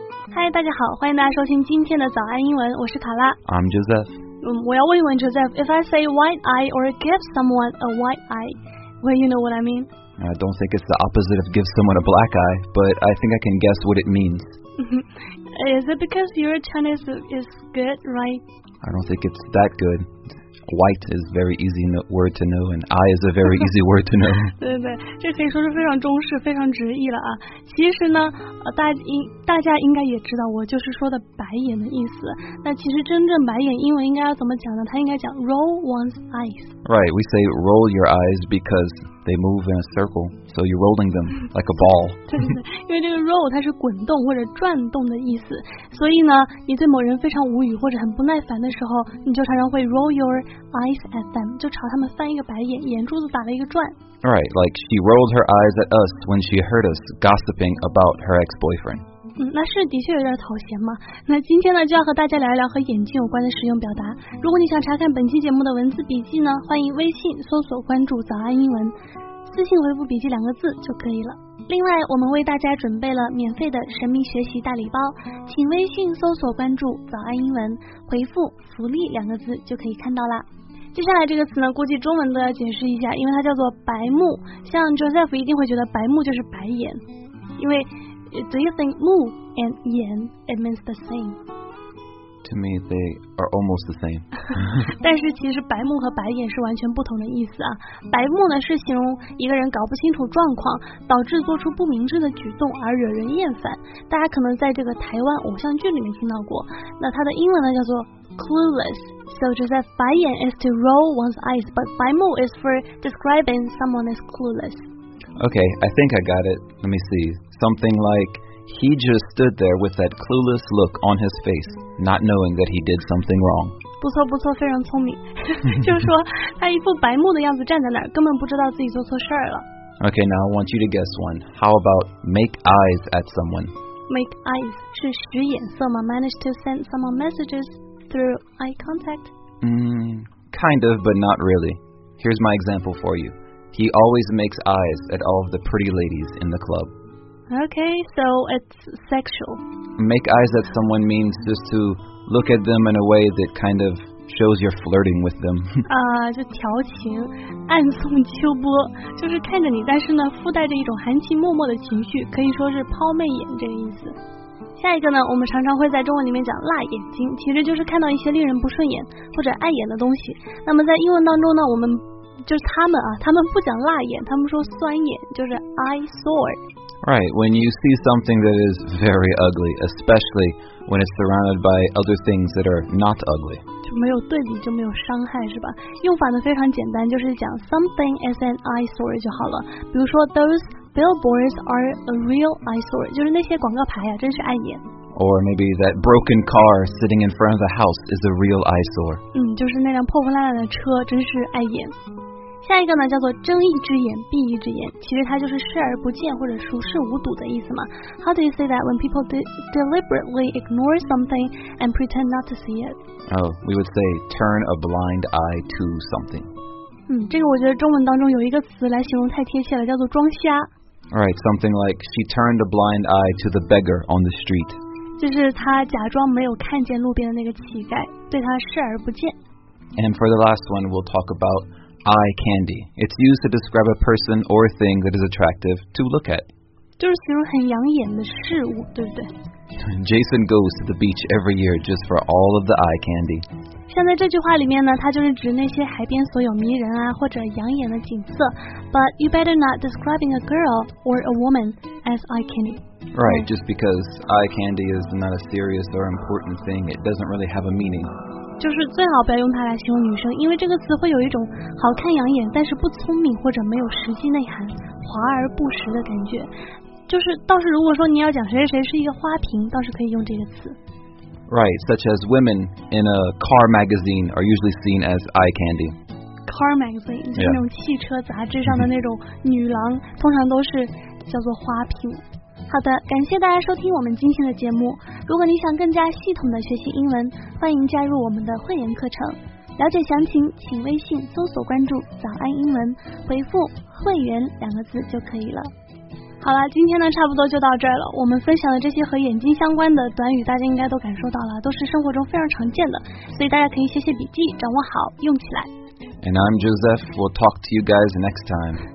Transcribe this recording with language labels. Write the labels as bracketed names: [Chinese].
[Chinese] 嗨，大家好，欢迎大家收听今天的早安英文，我是卡拉。 [English] I'm Joseph. [Chinese] 我要问一问 [English] Joseph, if I say white eye or give someone a white eye, well, you know what I mean? I don't think it's the opposite of give someone a black eye, but I think I can guess what it means. Is it because your Chinese is good, right? I don't think it's that good. White is very easy word to know, and eye is a very easy word to know. [Chinese] 对对，这可以说是非常中式，非常直译了啊。其实呢，大家应该也知道，我就是说的白眼的意思。那其实真正白眼英文应该要怎么讲呢？它应该讲 roll one's eyes. [English] Right, we say roll your eyes because they move in a circle, so you're rolling them like a ball. [Chinese] 对对对，因为这个 roll 它是滚动或者转动的意思，所以呢，你对某人非常无语或者很不耐烦的时候，你就常常会 [English] roll your eyes at them, [Chinese] 就朝他们翻一个白眼，眼珠子打了一个转。 [English] Right, like she rolled her eyes at us when she heard us gossiping about her ex-boyfriend. [Chinese] 那是的确有点讨嫌嘛。那今天呢，就要和大家聊一聊和眼睛有关的实用表达。如果你想查看本期节目的文字笔记呢，欢迎微信搜索关注早安英文，私信回复笔记两个字就可以了。另外，我们为大家准备了免费的神秘学习大礼包，请微信搜索关注早安英文，回复福利两个字就可以看到啦。接下来这个词呢，估计中文都要解释一下，因为它叫做白目。像 Joseph 一定会觉得白目就是白眼，因为 [English] Do you think 目 and 眼 it means the same? To me, they are almost the same. [Chinese] 但是其实白目和白眼是完全不同的意思啊。白目呢是形容一个人搞不清楚状况，导致做出不明智的举动而惹人厌烦。大家可能在这个台湾偶像剧里面听到过，那它的英文呢叫做 clueless。 [English] So Joseph, 白眼 is to roll one's eyes, but 白目 is for describing someone as clueless. Okay, I think I got it. Let me see. Something like, he just stood there with that clueless look on his face, not knowing that he did something wrong. [Chinese] 不错不错，非常聪明。就是说他一副白目的样子站在那儿，根本不知道自己做错事了。 [English] Okay, now I want you to guess one. How about make eyes at someone? [Chinese] Make eyes 是使眼色吗？ [English] Manage to send someone messages. Through eye contact? Kind of, but not really. Here's my example for you. He always makes eyes at all of the pretty ladies in the club. Okay, so it's sexual. Make eyes at someone means just to look at them in a way that kind of shows you're flirting with them. [Chinese] 就调情，暗送秋波，就是看着你，但是呢，附带着一种含情脉脉的情绪，可以说是抛媚眼这个意思。下一个呢，我们常常会在中文里面讲辣眼睛，其实就是看到一些令人不顺眼或者碍眼的东西。那么在英文当中呢，我们就是他们啊，他们不讲辣眼，他们说酸眼，就是 eyesore。 [English] Right, when you see something that is very ugly, especially when it's surrounded by other things that are not ugly. [Chinese] 就没有对比就没有伤害是吧？用法呢非常简单，就是讲 [English] something is an eyesore [Chinese] 就好了。比如说 [English] those billboards are a real eyesore, [Chinese] 就是那些广告牌啊，真是碍眼。 [English] Or maybe that broken car sitting in front of the house is a real eyesore. [Chinese] 就是那辆破破烂烂的车，真是碍眼。下一个呢叫做睁一只眼闭一只眼，其实它就是视而不见或者熟视无睹的意思嘛。 [English] How do you say that when people deliberately ignore something and pretend not to see it? Oh, we would say turn a blind eye to something. [Chinese] 这个我觉得中文当中有一个词来形容太贴切了，叫做装瞎。 [English] Alright, something like she turned a blind eye to the beggar on the street. [Chinese] 就是她假装没有看见路边的那个乞丐，对她视而不见。 [English] And for the last one, we'll talk aboutEye candy. It's used to describe a person or thing that is attractive to look at. [Chinese] 就是形容很养眼的事物，对不对？ [English] Jason goes to the beach every year just for all of the eye candy. [Chinese] 像在这句话里面呢，它就是指那些海边所有迷人啊或者养眼的景色。 [English] But you better not describing a girl or a woman as eye candy. Right, just because eye candy is not a serious or important thing, it doesn't really have a meaning. [Chinese] 就是最好不要用它来形容女生，因为这个词会有一种好看养眼但是不聪明或者没有实际内涵，华而不实的感觉。就是倒是如果说你要讲谁谁是一个花瓶，倒是可以用这个词。 [English] Right, such as women in a car magazine are usually seen as eye candy. [Chinese] Car magazine 就是那种汽车杂志上的那种女郎，通常都是叫做花瓶。好的，感谢大家收听我们今天的节目。如果你想更加系统的学习英文，欢迎加入我们的会员课程。了解详情，请微信搜索关注“早安英文”，回复“会员”两个字就可以了。好了，今天呢差不多就到这儿了。我们分享的这些和眼睛相关的短语，大家应该都感受到了，都是生活中非常常见的，所以大家可以写写笔记，掌握好，用起来。 [English] And I'm Joseph. We'll talk to you guys next time.